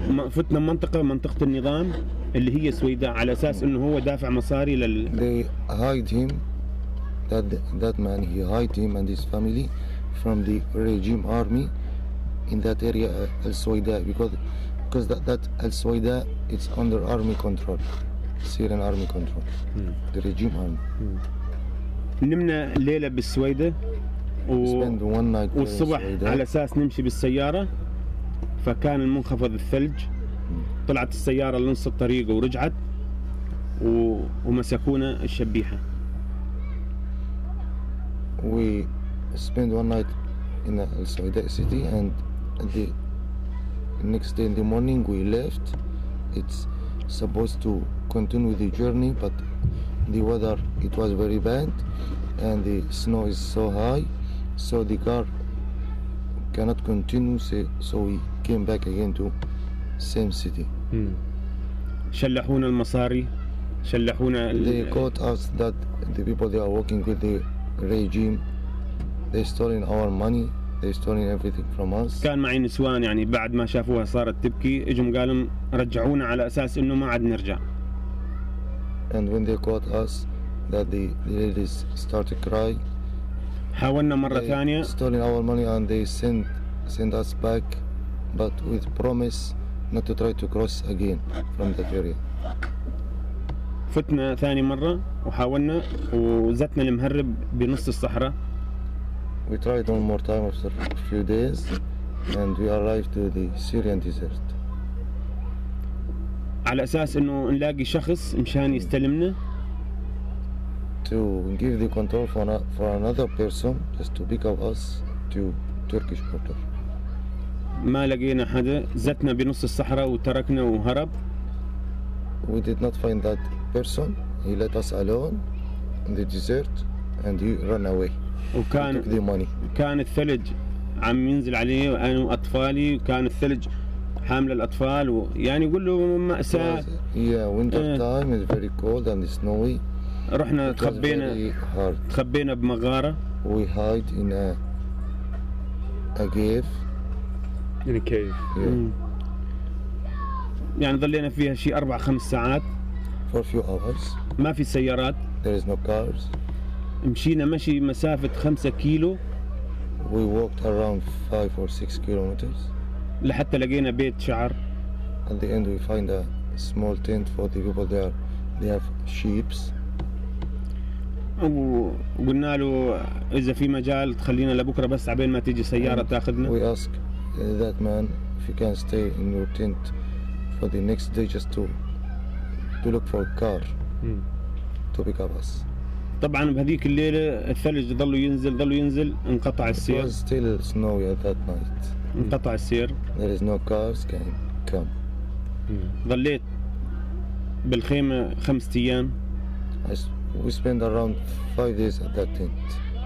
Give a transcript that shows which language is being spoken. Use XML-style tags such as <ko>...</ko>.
<ar>فتنا منطقة النظام اللي هي سويداء على أساس إنه هو دافع مصاري لل.</ar> <en>They hide him, that man. He hide him and his family from the regime army in that area Al Sweidاء because that Al Sweidاء it's under army control, Syrian army control, the regime army.</en> <ar>نمنا ليلة بالسويداء. والصبح على أساس نمشي بالسيارة فكان المنخفض الثلج طلعت السيارة لنص الطريق ورجعت ومسكونا الشبيحة</ar> <en>We spent one night in Al Sweidaء city and the next day in the morning we left it's supposed to continue the journey but the weather it was very bad and the snow is so high So the car cannot continue, so we came back again to same city.</en> <ar>شلحونا المصاري، شلحونا.</ar> <en>They caught us that the people they are working with the regime, they stolen our money, they stolen everything from us.</en> <ar>كان معي نسوان يعني بعد ما شافوها صارت تبكي، اجوا قالوا رجعونا على أساس إنه ما عاد نرجع.</ar> <en>And when they caught us, that the ladies started to cry.</en> <ar>حاولنا مرة ثانية.</ar> <en>Stolen our money and they send us back, but with promise not to try to cross again from that area.</en> <ar>فتنا ثاني مرة وحاولنا وزتنا المهرب بنص الصحراء.</ar> <en>We tried one more time after a few days, and we arrived to the Syrian desert.</en> <ar>على أساس إنه نلاقي شخص مشان يستلمنا.</ar> <en>To give the control for another person just to pick up us to Turkish border.</en> <ar>ما لقينا حدا زتنا بنص الصحراء وتركنا وهرب.</ar> <en>We did not find that person. He let us alone in the desert and he ran away.</en> <ar>وكان</ar> <en>took the money.</en> <ar>كان الثلج عم ينزل علي وأنا وأطفالي وكان الثلج حامل الأطفال ويعني يقول له مأساة.</ar> <en>Yeah, winter time is very cold and snowy.</en> <ar>رحنا تخبينا بمغارة.</ar> <en>We hide in a cave. In a cave.</en> <ar>يعني ظلينا فيها شيء 4-5 ساعات.</ar> <en>For a few hours.</en> <ar>ما في سيارات.</ar> <en>There is no cars.</en> <ar>مشينا مشي مسافة 5 كيلو.</ar> <en>We walked around 5-6 kilometers.</en> <ar>لحتى لقينا بيت شعر.</ar> <en>At the end we find a small tent for the people there. They have sheep.</en> <ar>وقلنا له إذا في مجال تخلينا لبكرة بس عبين ما تيجي سيارة تأخذنا.</ar> <en>We ask that man if he can stay in your tent for the next day just to look for a car to pick up us.</en> <ar>طبعاً بهذيك الليلة الثلج ظلوا ينزل انقطع السير.</ar> <en>It was still snowy at that night.</en> <ar>انقطع السير.</ar> <en>There is no cars can come.</en> <ar>ظليت بالخيمة 5 أيام.</ar> <en>We spent around 5 days at that tent.</en>